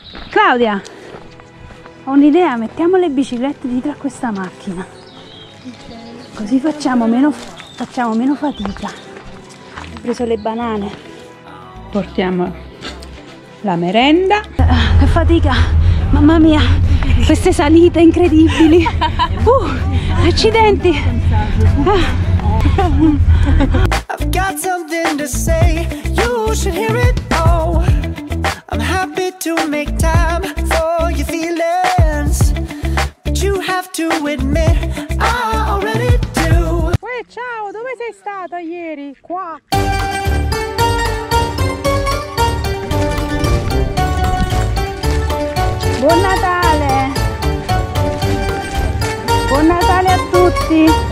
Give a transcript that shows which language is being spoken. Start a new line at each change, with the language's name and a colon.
Italian: Claudia, ho un'idea, mettiamo le biciclette dietro a questa macchina, così facciamo meno fatica. Ho preso le banane. Portiamo la merenda. Che fatica, mamma mia, queste salite incredibili. Accidenti.
English: I've got something to say, you should hear it all. I'm happy to make time for your feelings, but you have to admit I already do.
Italian: Uè, ciao, dove sei stata ieri? Qua. Buon Natale. Buon Natale a tutti.